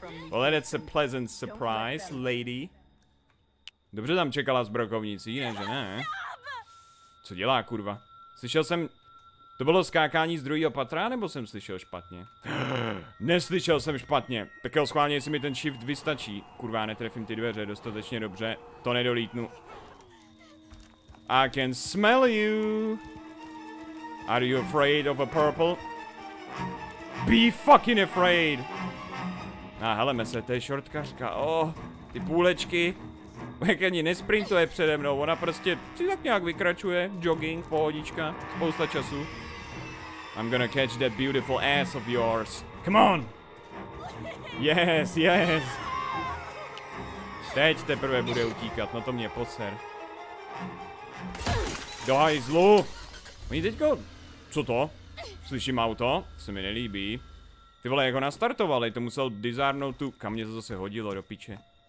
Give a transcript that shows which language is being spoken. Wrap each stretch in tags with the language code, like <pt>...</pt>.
<en>Well, that's a pleasant surprise, lady.</en> <cs>Dobře tam čekala s brokovnicí, ne, že ne? Co dělá, kurva? Slyšel jsem... To bylo skákání z druhého patra, nebo jsem slyšel špatně? Neslyšel jsem špatně. Pekel, schválně, jestli mi ten shift vystačí. Kurva, netrefím ty dveře dostatečně dobře. To nedolítnu.</cs> <en>I can smell you. Are you afraid of a purple? Be fucking afraid!</en> <cs>A heleme se, to je shortkařka, ty půlečky. Jak ani nesprintuje přede mnou, ona prostě si tak nějak vykračuje, jogging, pohodička, spousta času.</cs> <en>I'm gonna catch that beautiful ass of yours. Come on! Yes, yes!</en> <cs>Teď teprve bude utíkat, no to mě poser. Do hajzlu! Oni teďko, co to? Slyším auto, se mi nelíbí. Ty vole, jak ho nastartovali, to musel disarmnout tu... Kam mě to zase hodilo do piče.</cs>